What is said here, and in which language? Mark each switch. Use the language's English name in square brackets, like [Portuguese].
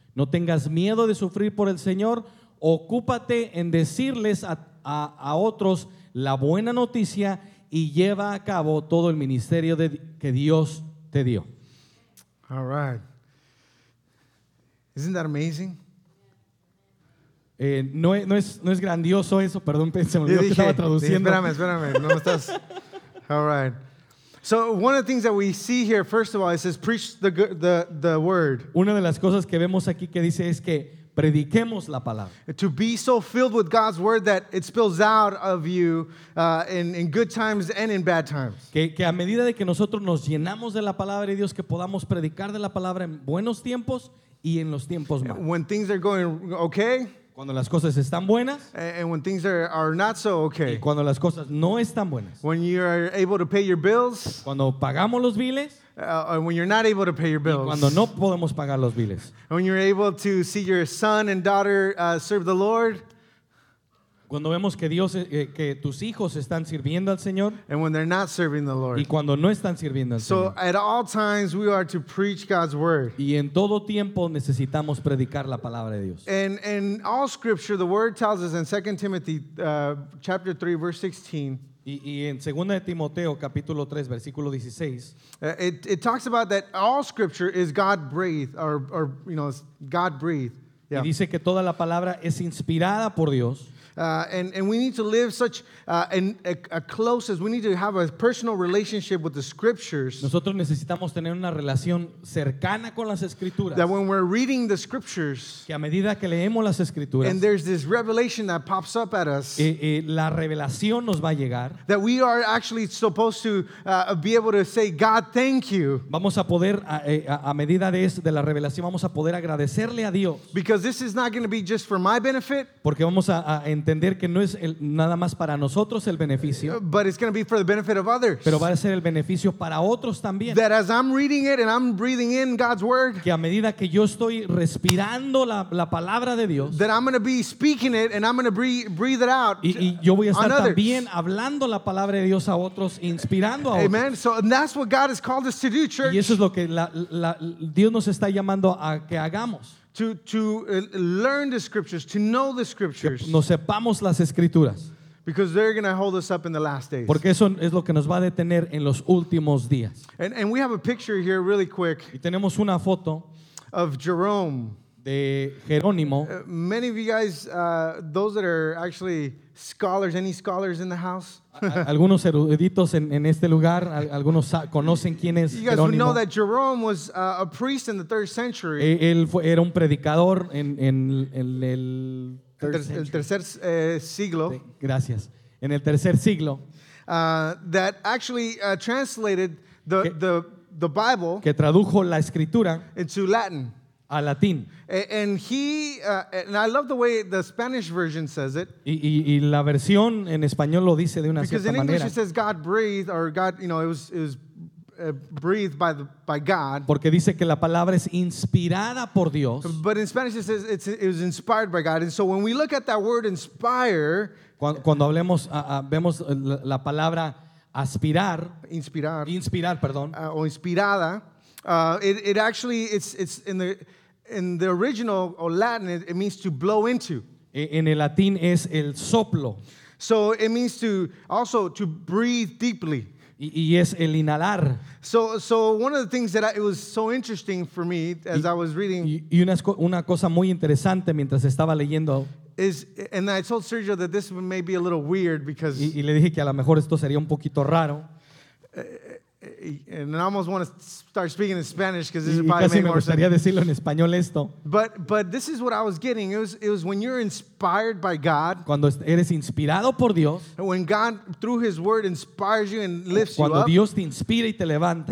[Spanish] No tengas miedo de sufrir por el Señor, ocúpate en decirles a otros la buena noticia y lleva a cabo todo el ministerio que Dios te dio. [English] All right. Isn't that amazing? [Spanish] No es grandioso eso, perdón, pensé, me olvidé que estaba traduciendo. Espérame, no estás. [English] All right. So one of the things that we see here, first of all, it says preach the word. [Spanish] Una de las cosas que vemos aquí que dice es que Prediquemos la palabra. [English] To be so filled with God's word that it spills out of you in good times and in bad times. [Spanish] Que a medida de que nosotros nos llenamos de la palabra de Dios, que podamos predicar de la palabra en buenos tiempos y en los tiempos malos. [English] When things are going okay. [Spanish] Cuando las cosas están buenas. [English] And when things are not so okay. [Spanish] Y cuando las cosas no están buenas. [English] When you are able to pay your bills. [Spanish] Cuando pagamos los biles. [English] When you're not able to pay your bills. [Spanish] Y cuando no podemos pagar los biles. [English] When you're able to see your son and daughter serve the Lord. [Spanish] Cuando vemos que Dios, que tus hijos están sirviendo al Señor. [English] And when they're not serving the Lord. [Spanish] Y cuando no están sirviendo al [English] so [Spanish] Señor. [English] At all times we are to preach God's word. [Spanish] Y en todo tiempo necesitamos predicar la palabra de Dios. [English] And in all scripture the word tells us in 2 Timothy chapter 3 verse 16. [Spanish] Y en 2 de Timoteo capítulo 3 versículo 16 [English] it talks about that all scripture is God breathed or you know God breathed. Yeah. [Spanish] Y dice que toda la palabra es inspirada por Dios. [English] And we need to live such a closest. We need to have a personal relationship with the scriptures. [Spanish] Nosotros necesitamos tener una relación cercana con las escrituras. [English] That when we're reading the scriptures, [Spanish] que a medida que leemos las escrituras, [English] and there's this revelation that pops up at us, [Spanish] la revelación nos va a llegar. [English] That we are actually supposed to be able to say, God, thank you. [Spanish] Vamos a poder a medida de la revelación vamos a poder agradecerle a Dios. [English] Because this is not going to be just for my benefit. [Spanish] Porque vamos a entender que no es nada más para nosotros el beneficio, [English] but it's going to be for the benefit of others. [Spanish] Pero va a ser el beneficio para otros también. [English] That as I'm reading it and I'm breathing in God's word, [Spanish] que a medida que yo estoy respirando la palabra de Dios, [English] that I'm going to be speaking it and I'm going to breathe it out. [Spanish] Y yo voy a estar también hablando la palabra de Dios a otros, inspirando a otros. [English] Amen. So that's what God has called us to do, church. [Spanish] Y eso es lo que Dios nos está llamando a que hagamos. [English] To learn the scriptures, to know the scriptures. [Spanish] Que nos sepamos las escrituras. [English] Because they're going to hold us up in the last days. [Spanish] Porque eso es lo que nos va a detener en los últimos días. [English] And we have a picture here really quick. [Spanish] Y tenemos una foto. [English] Of Jerome. [Spanish] De Jerónimo. [English] Many of you guys, those that are actually scholars, any scholars in the house? [Spanish] Algunos eruditos en este lugar, algunos conocen quién es [English] Jerónimo. You guys would know that Jerome was a priest in the 3rd century. [Spanish] Él era un predicador en el tercer siglo. Gracias. En el tercer siglo. [English] That actually translated the Bible. [Spanish] Que tradujo la escritura. [English] Into Latin. [Spanish] A latín. [English] And he and I love the way the Spanish version says it. [Spanish] Y la versión en español lo dice de una cierta manera. [English] Because in English it says God breathed or God, you know, it was breathed by God. [Spanish] Porque dice que la palabra es inspirada por Dios. [English] But in Spanish it says it was inspired by God. And so when we look at that word inspire, [Spanish] cuando hablemos vemos la palabra aspirar, inspirar, perdón, o inspirada. [English] It actually it's in the original or Latin it means to blow into. [Spanish] En el latín es el soplo. [English] So it means to also to breathe deeply. [Spanish] Y es el inhalar. [English] So one of the things that it was so interesting for me as I was reading. [Spanish] Y una cosa muy interesante mientras estaba leyendo. [English] Is and I told Sergio that this may be a little weird because. [Spanish] Y le dije que a lo mejor esto sería un poquito raro. [English] And I almost want to start speaking in Spanish because this is probably make more sense. [Spanish] Decirlo en español esto. [English] But this is what I was getting. It was when you're inspired by God. [Spanish] Cuando eres inspirado por Dios. [English] And when God through His Word inspires you and lifts you up. [Spanish] Cuando Dios te inspira y te levanta.